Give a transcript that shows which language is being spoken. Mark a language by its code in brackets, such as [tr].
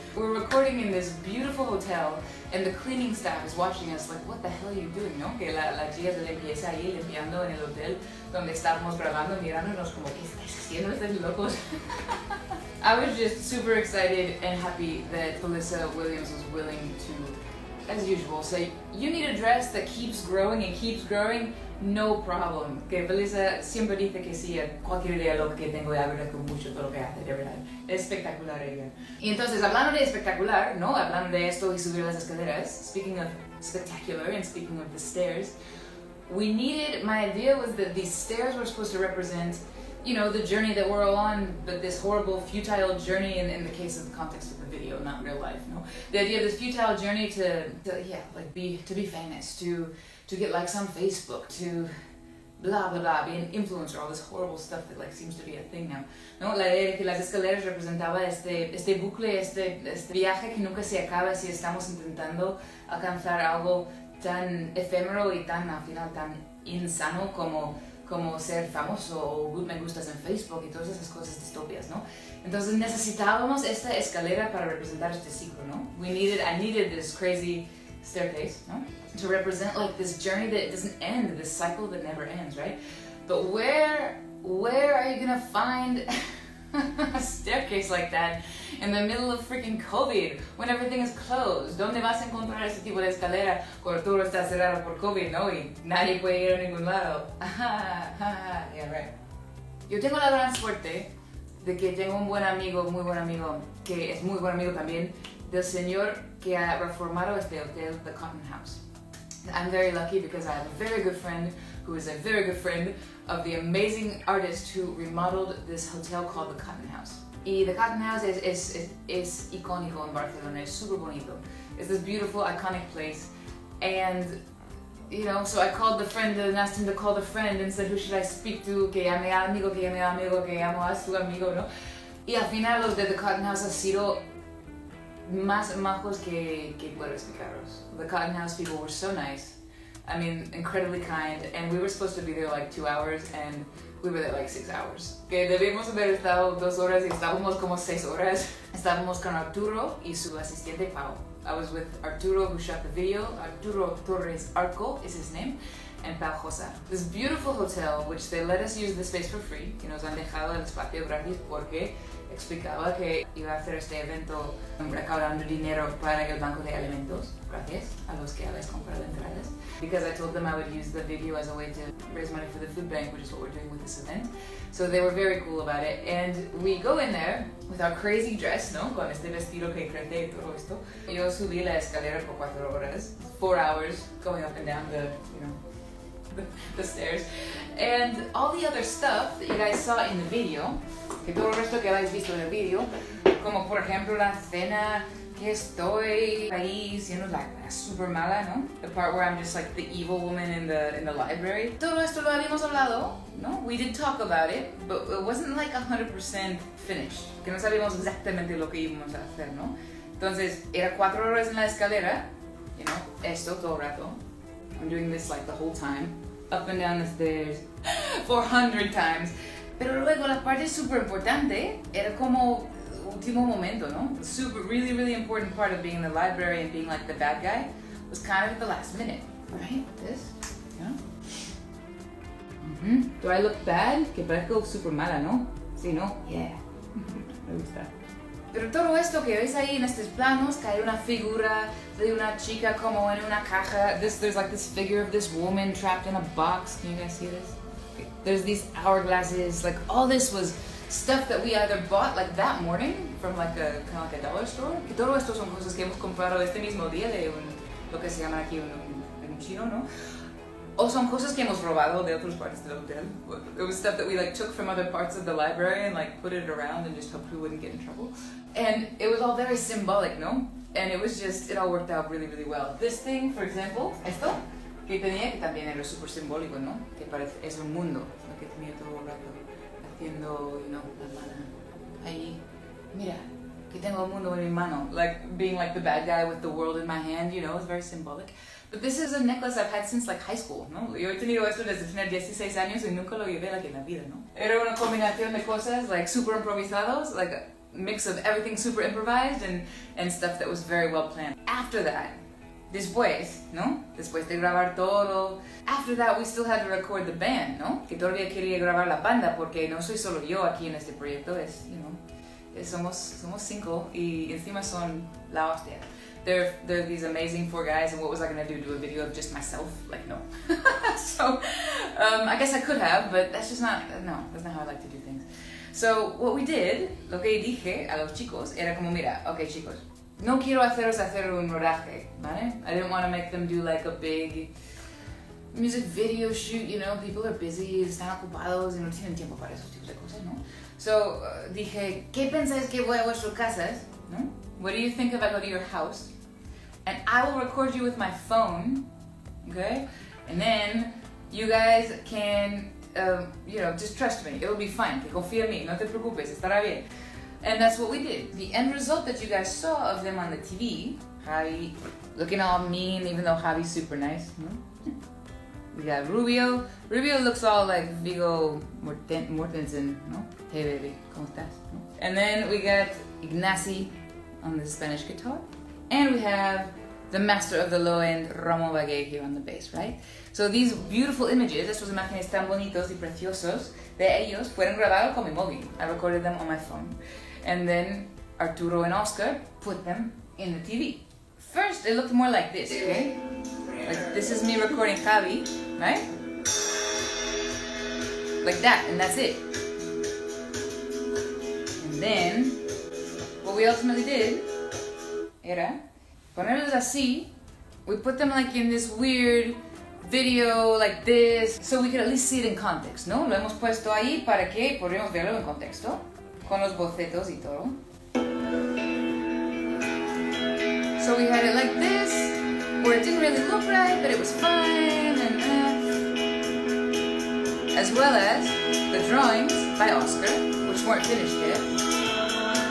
[en] We're recording in this beautiful hotel and the cleaning staff is watching us like, what the hell are you doing, no? [es] Que la chica de limpieza ahí limpiando en el hotel donde estábamos grabando, mirándonos como, ¿qué estáis haciendo? ¿Estáis locos? [en] I was just super excited and happy that Felissa Williams was willing to, as usual, say, you need a dress that keeps growing and keeps growing, no problem. [es] Que Felissa siempre dice que sí a cualquier idea lo que tengo, y agradezco mucho todo lo que hace, de verdad. Espectacular ella. Y entonces, hablando de espectacular, ¿no? Hablando de esto y subir las escaleras, [en] speaking of spectacular and speaking of the stairs, we needed, my idea was that these stairs were supposed to represent, you know, the journey that we're all on, but this horrible, futile journey in the case of the context of the video, not real life, no? The idea of this futile journey to be famous, to get likes on Facebook, to blah, blah, blah, be an influencer, all this horrible stuff that like seems to be a thing now. [es] No, la idea de que las escaleras representaba este bucle, este viaje que nunca se acaba si estamos intentando alcanzar algo tan efímero y tan, al final, tan insano como ser famoso o me gustas en Facebook y todas esas cosas distopias, ¿no? Entonces necesitábamos esta escalera para representar este ciclo, ¿no? [en] I needed this crazy staircase, ¿no? To represent like this journey that doesn't end, this cycle that never ends, right? But where are you gonna find a staircase like that in the middle of freaking COVID when everything is closed? [es] ¿Dónde vas a encontrar ese tipo de escalera cuando todo está cerrado por COVID, no? Y nadie puede ir a ningún lado. [en] Yeah, right. [es] Yo tengo la gran suerte de que tengo un buen amigo, muy buen amigo, que es muy buen amigo también, del señor que ha reformado este hotel, The Cotton House. [en] I'm very lucky because I have a very good friend who is a very good friend of the amazing artist who remodeled this hotel called The Cotton House. Y The Cotton House is icónico in Barcelona, it's super bonito. It's this beautiful, iconic place. And, you know, so I called the friend and asked him to call the friend and said, who should I speak to? [es] Que llame al amigo, que llame al amigo, que llamo a su amigo, ¿no? Y al final los de The Cotton House ha sido más majos que puedo explicaros. [en] The Cotton House people were so nice. I mean, incredibly kind, and we were supposed to be there like 2 hours, and we were there like 6 hours. [es] Que debimos haber estado 2 horas y estábamos como 6 horas. Estábamos con Arturo y su asistente, Pau. [en] I was with Arturo, who shot the video. Arturo Torres Arco is his name, and Pau Josa. This beautiful hotel, which they let us use the space for free, [es] que nos han dejado el espacio gratis porque explicaba que iba a hacer este evento recaudando dinero para el banco de alimentos, gracias a los que habéis comprado entradas. [en] Because I told them I would use the video as a way to raise money for the food bank, which is what we're doing with this event. So they were very cool about it. And we go in there with our crazy dress, ¿no? [es] Con este vestido que crece y todo esto. Yo subí la escalera por 4 horas, [en] 4 hours, going up and down the, you know, the stairs. And all the other stuff that you guys saw in the video, [es] que todo el resto que habéis visto en el video, como por ejemplo la cena que estoy ahí siendo la super mala, ¿no? [en] The part where I'm just like the evil woman in the library. [es] Todo esto lo habíamos hablado, ¿no? [en] We did talk about it, but it wasn't like 100% finished. [es] Que no sabíamos exactamente lo que íbamos a hacer, ¿no? Entonces, era 4 horas en la escalera, [en] you know, [es] esto todo el rato. [en] I'm doing this like the whole time, up and down the stairs, 400 times. [es] Pero luego la parte super importante era como último momento, ¿no? [en] Super, really, really important part of being in the library and being like the bad guy was kind of at the last minute. Right? This? Yeah. Mm-hmm. Do I look bad? [es] Que parezco super mala, ¿no? Sí, ¿no? [en] Yeah. [es] Me gusta. Pero todo esto que veis ahí en estos planos, que hay una figura de una chica como en una caja. [en] There's like this figure of this woman trapped in a box. Can you guys see this? There's these hourglasses. Like all this was stuff that we either bought like that morning from like a kind of like a dollar store. [es] Que todo esto son cosas que hemos comprado este mismo día de un lo que se llama aquí un chino, ¿no? O son cosas que hemos robado de otras partes del hotel. [en] It was stuff that we like took from other parts of the library and like put it around and just hoped we wouldn't get in trouble. And it was all very symbolic, ¿no? And it was just, it all worked out really, really well. This thing, for example, [es] esto, que tenía, que también era súper simbólico, ¿no? Que parece, es un mundo, lo que tenía todo el rato haciendo, [en] you know, [es] la mano. Ahí, mira, que tengo el mundo en mi mano. [en] Like, being like the bad guy with the world in my hand, you know, it's very symbolic. But this is a necklace I've had since like high school, ¿no? [es] Yo he tenido esto desde tener 16 años y nunca lo llevé [en] like, [es] en la vida, ¿no? Era una combinación de cosas, like, super improvisados, [en] like, mix of everything super improvised and stuff that was very well planned. After that, [es] después, ¿no? Después de grabar todo. [en] After that, we still had to record the band, ¿no? [es] Que todavía quería grabar la banda porque no soy solo yo aquí en este proyecto. Es, [en] you know, [es] somos cinco y encima son la hostia. [en] They're these amazing four guys, and what was I gonna do a video of just myself? Like, no. So, I guess I could have, but that's just not, no, that's not how I like to do things. So what we did, [es] lo que dije a los chicos era como mira, okay chicos, no quiero haceros hacer un rodaje, ¿vale? [en] I didn't want to make them do like a big music video shoot, you know, people are busy, [es] están ocupados y no tienen tiempo para esos tipos de cosas, ¿no? [en] So [es] dije, ¿qué pensáis que voy a vuestras casas? ¿No? [en] What do you think if I go to your house? And I will record you with my phone, okay? And then you guys can you know, just trust me, it'll be fine. [es] Que confía en mí, no te preocupes, estará bien. [en] And that's what we did. The end result that you guys saw of them on the TV, Javi looking all mean, even though Javi's super nice. No? We got Rubio. Rubio looks all like Viggo Mortensen, no? [es] Hey baby, ¿cómo estás? No? [en] And then we got Ignasi on the Spanish guitar. And we have the master of the low end, Ramón Bagué, here on the bass, right? So these beautiful images, [es] estos imágenes tan bonitos y preciosos de ellos, [en] fueron grabados con mi móvil. I recorded them on my phone. And then Arturo and Oscar put them in the TV. First, it looked more like this, okay? Like, this is me recording Javi, right? Like that, and that's it. And then, what we ultimately did [es] era ponerlos así. [en] We put them like in this weird video like this, so we could at least see it in context, ¿no? [es] Lo hemos puesto ahí para que podamos verlo en contexto, con los bocetos y todo. [en] So we had it like this, where it didn't really look right, but it was fine, and as well as the drawings by Oscar, which weren't finished yet.